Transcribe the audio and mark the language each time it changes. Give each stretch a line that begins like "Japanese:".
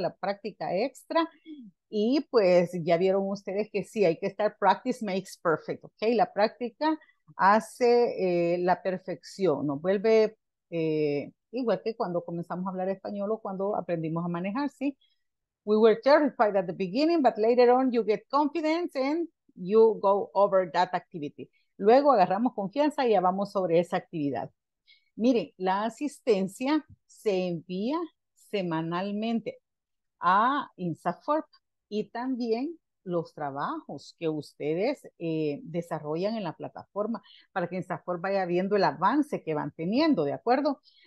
Spanish: La práctica extra. Y pues ya vieron ustedes que sí, hay que estar,
English: practice makes perfect,
Spanish: ¿ok? La práctica hace la perfección, nos vuelve igual que cuando comenzamos a hablar español o cuando aprendimos a manejar, ¿sí?
English: We were terrified at the beginning, but later on you get confidence and you go over that activity.
Spanish: Luego agarramos confianza y ya vamos sobre esa actividad. Miren, la asistencia se envía semanalmente a INSAFORP y también los trabajos que ustedes desarrollan en la plataforma para que INSAFORP vaya viendo el avance que van teniendo, ¿de acuerdo?